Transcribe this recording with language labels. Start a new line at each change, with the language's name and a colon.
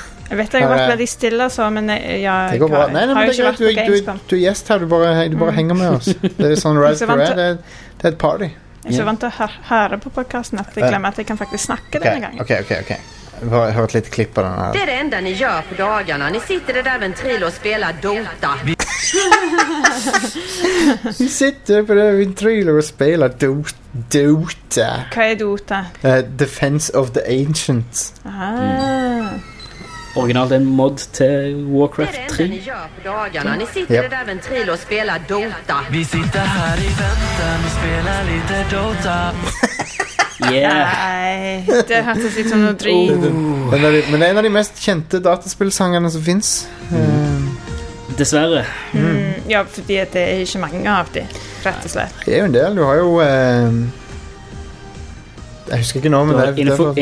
Norwegian: jeg vet jeg har vært veldig stille så, men ja, det går bra. Nei, men det er greit, du er gjest her, du bare henger med oss. Det er sånn right for red, det er et party. Jeg er så vant til å høre på podcasten at jeg glemmer at jeg kan faktisk snakke denne gangen. Ok. Vi har hørt litt klipp på den her.
Swedish: Det er det enda ni gjør på dagarna. Ni sitter där med en trill och spelar Dota. Vi sitter på det med en trill och spelar Dota. Vad är Dota? Defense of the Ancients. Mm. Originalt en mod till Warcraft 3. Det är det enda ni gör på dagarna. Ni sitter där med en trill och spelar Dota. Vi sitter här i väntan och spelar lite Dota.
Norwegian: Yeah. Nei, det hørtes litt som noe dream. Men det er en av de mest kjente dataspillsangene som finnes. Dessverre. Ja, fordi det er ikke mange av de, rett og slett. Det er jo en del, du har jo jeg husker ikke noe, men det er